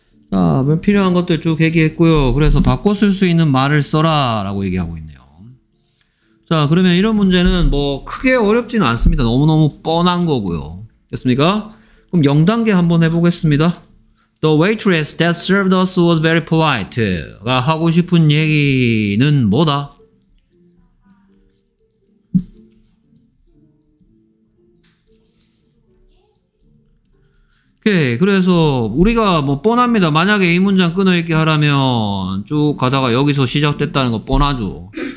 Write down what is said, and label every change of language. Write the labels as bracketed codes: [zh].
[ko] 자, 필요한 것들 쭉 얘기했고요. 그래서 바꿔 쓸 수 있는 말을 써라 라고 얘기하고 있네요. 자, 그러면 이런 문제는 뭐 크게 어렵지는 않습니다. 너무너무 뻔한 거고요. 됐습니까? 그럼 0단계 한번 해보겠습니다. [en] The waitress that served us was very polite. [ko] 가 하고 싶은 얘기는 뭐다? 오케이. 그래서 우리가 뭐 뻔합니다. 만약에 이 문장 끊어있게 하라면 쭉 가다가 여기서 시작됐다는 거 뻔하죠.